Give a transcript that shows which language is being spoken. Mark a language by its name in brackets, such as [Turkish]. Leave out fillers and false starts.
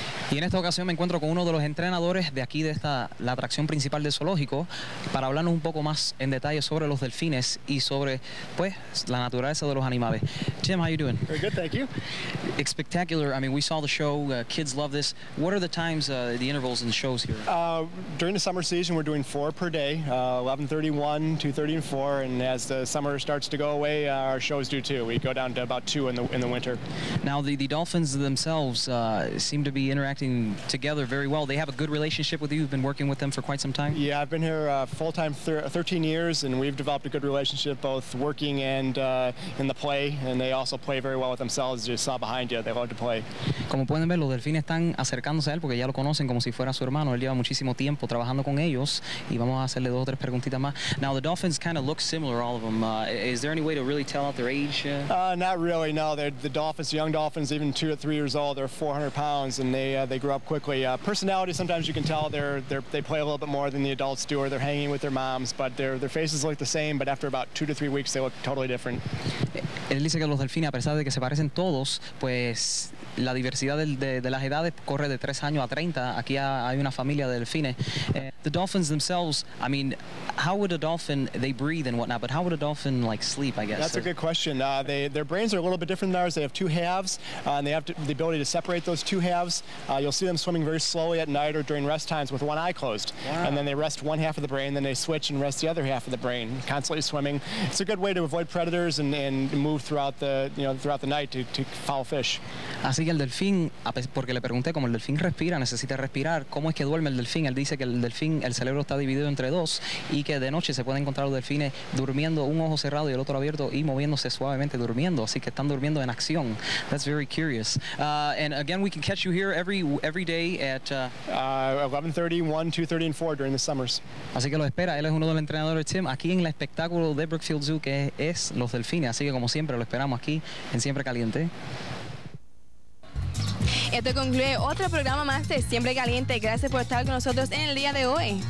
[Spanish] En esta ocasión me encuentro con uno de los entrenadores de aquí, de esta, la atracción principal del zoológico, para hablarnos un poco más en detalle sobre los delfines y sobre, pues, la naturaleza de los animales. [English] Jim, how you doing? Very good, thank you. It's spectacular. I mean, we saw the show. Kids love this. What are the times, the intervals in the shows here? During the summer season, we're doing 4 per day, 11:30, 1, 2:30, and 4. And as the summer starts to go away, our shows do too. We go down to about 2 in the winter. Now, the dolphins themselves seem to be interacting together very well. They have a good relationship with you. You've been working with them for quite some time. Yeah, I've been here full-time 13 years, and we've developed a good relationship both working and in the play, and they also play very well with themselves, as you saw behind you. They love to play. [Spanish] Como pueden ver, los delfines están acercándose a él porque ya lo conocen como si fuera su hermano. Él lleva muchísimo tiempo trabajando con ellos, y vamos a hacerle dos o tres preguntitas más. [English] Now, the dolphins kind of look similar, all of them. Is there any way to really tell out their age? Not really, no. The dolphins, young dolphins, even 2 or 3 years old, they're 400 pounds, and they grow up quickly. Personality, sometimes you can tell they play a little bit more than the adults do, or they're hanging with their moms, but their faces look the same, but after about 2 to 3 weeks, they look totally different. [Spanish] Él dice que los delfines, a pesar de que se parecen todos, pues la diversidad de las edades corre de 3 años a 30. Aquí hay una familia de delfines. [English] The dolphins themselves, I mean, how would a dolphin, they breathe and whatnot, but how would a dolphin, like, sleep, I guess? That's a good question. Their brains are a little bit different than ours. They have two halves, and they have the ability to separate those two halves. You'll see them swimming very slowly at night or during rest times with one eye closed. Wow. And then they rest one half of the brain, then they switch and rest the other half of the brain, constantly swimming. It's a good way to avoid predators and move throughout the, you know, throughout the night to foul fish. [Spanish] Así que el delfín, porque le pregunté cómo el delfín respira, necesita respirar, ¿cómo es que duerme el delfín? Él dice que el delfín, el cerebro está dividido entre dos y que de noche se pueden encontrar los delfines durmiendo un ojo cerrado y el otro abierto y moviéndose suavemente durmiendo, así que están durmiendo en acción. [English] That's very curious. And again, we can catch you here every day at 11:30, 1, 2:30 and 4 during the summers. [Spanish] Así que lo espera, él es uno de los entrenadores Tim aquí en el espectáculo de Brookfield Zoo que es los delfines, así que como siempre lo esperamos aquí en Siempre Caliente. Esto concluye otro programa más de Siempre Caliente. Gracias por estar con nosotros en el día de hoy.